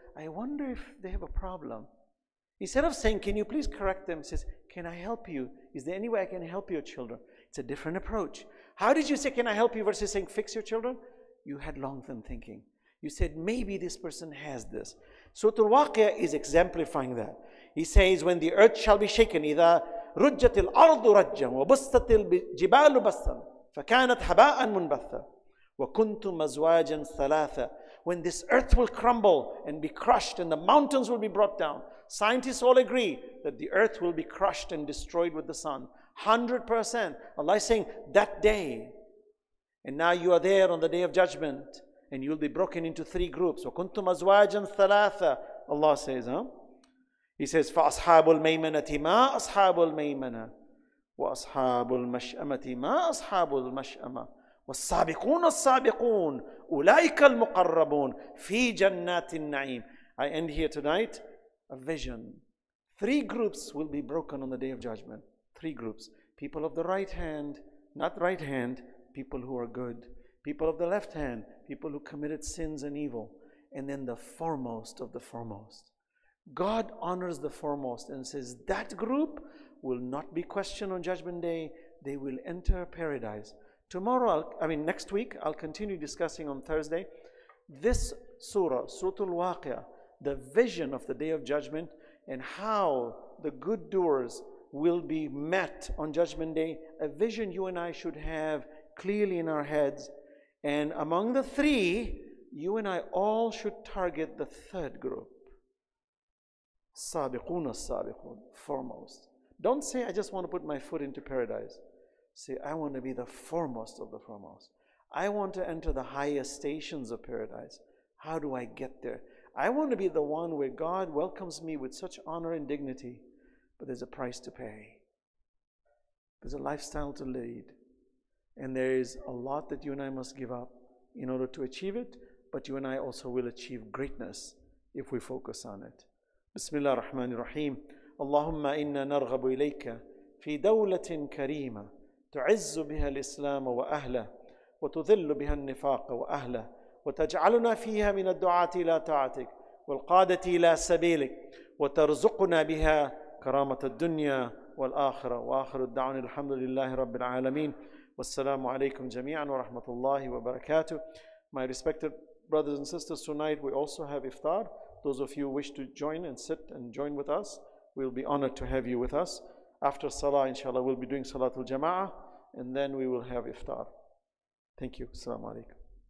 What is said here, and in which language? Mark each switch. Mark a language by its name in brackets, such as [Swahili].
[English] I wonder if they have a problem." Instead of saying, "Can you please correct them?" says, "Can I help you? Is there any way I can help your children?" It's a different approach. How did you say, "Can I help you," versus saying, "Fix your children"? You had long-term thinking. You said, "Maybe this person has this." Suratul Waqia is exemplifying that. He says, "When the earth shall be shaken, [Arabic] إِذَا رُجَّتِ الْأَرْضُ رَجَّا وَبُسَّتِ الْجِبَالُ بَسَّا فَكَانَتْ هَبَاءً مُنْبَثًا وَكُنْتُمْ أَزْوَاجًا ثَلَاثًا." [English] When this earth will crumble and be crushed and the mountains will be brought down, scientists all agree that the earth will be crushed and destroyed with the sun. 100%. Allah is saying, that day. And now you are there on the day of judgment, and you'll be broken into 3 groups. [Arabic] وَكُنْتُمْ أَزْوَاجًا ثَلَاثًا, [English] Allah says, huh? He says, [Arabic] فَأَصْحَابُ الْمَيْمَنَةِ مَا أَصْحَابُ الْمَيْمَنَةِ وَأَصْحَابُ الْمَشْأَمَةِ مَا أَصْحَابُ الْمَشْأَمَةِ وَالسَّابِقُونَ السَّابِقُونَ أُولَئِكَ الْمُقَرَّبُونَ فِي جَنَّاتِ النَّعِيمِ. [English] I end here tonight. A vision. 3 groups will be broken on the day of judgment. 3 groups. People of the right hand, not right hand, people who are good. People of the left hand, people who committed sins and evil. And then the foremost of the foremost. God honors the foremost and says, that group will not be questioned on judgment day. They will enter paradise. Next week, I'll continue discussing on Thursday. This surah, Suratul Waqia, the vision of the day of judgment and how the good doers will be met on judgment day, a vision you and I should have clearly in our heads. And among the 3, you and I all should target the third group. [Arabic] سابقون السابقون, foremost. [English] Don't say, I just want to put my foot into paradise. Say, I want to be the foremost of the foremost. I want to enter the highest stations of paradise. How do I get there? I want to be the one where God welcomes me with such honor and dignity, but there's a price to pay. There's a lifestyle to lead, and there is a lot that you and I must give up in order to achieve it, but you and I also will achieve greatness if we focus on it. [Arabic] Bismillah ar-Rahman ar-Rahim. Allahumma inna narghabu ilayka fi dawlatin kareema tu'izzu biha al-Islam wa ahla wa tudhillu biha al-nifaq wa ahla وتجعلنا فيها من الدعاة إلى طاعتك والقادة إلى سبيلك وترزقنا بها كرامة الدنيا والآخرة وآخر الدعوان الحمد لله رب العالمين والسلام عليكم جميعا ورحمة الله وبركاته. [English] My respected brothers and sisters, tonight we also have iftar. Those of you who wish to join and sit and join with us, we'll be honored to have you with us. After salah, inshallah, we'll be doing salatul jama'ah, and then we will have iftar. Thank you. Assalamu alaikum.